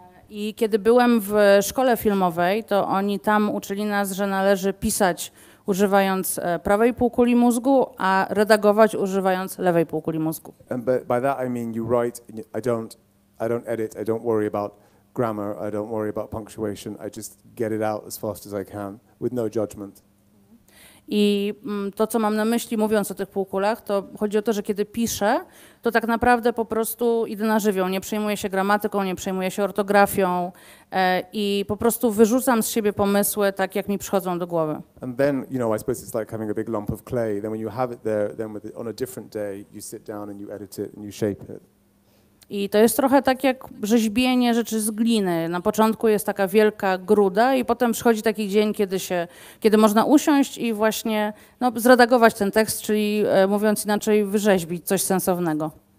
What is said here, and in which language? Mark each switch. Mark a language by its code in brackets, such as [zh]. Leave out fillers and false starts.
[pl] I kiedy byłem w szkole filmowej, to oni tam uczyli nas, że należy pisać używając prawej półkuli mózgu, a redagować używając lewej półkuli mózgu. [en] And by that I mean you write, I don't edit, I don't worry about grammar, I don't worry about punctuation, I just get it out as fast as I can with no judgment. [pl] I to, co mam na myśli, mówiąc o tych półkulach, to chodzi o to, że kiedy piszę, to tak naprawdę po prostu idę na żywioł. Nie przejmuję się gramatyką, nie przejmuję się ortografią i po prostu wyrzucam z siebie pomysły tak, jak mi przychodzą do głowy. [en] And then, you know, I suppose it's like having a big lump of clay. Then when you have it there, then with it, on a different day, you sit down and you edit it and you shape it. [pl] I to jest trochę tak jak rzeźbienie rzeczy z gliny. Na początku jest taka wielka gruda i potem przychodzi taki dzień, kiedy można usiąść i właśnie no, zredagować ten tekst, czyli mówiąc inaczej, wyrzeźbić coś sensownego.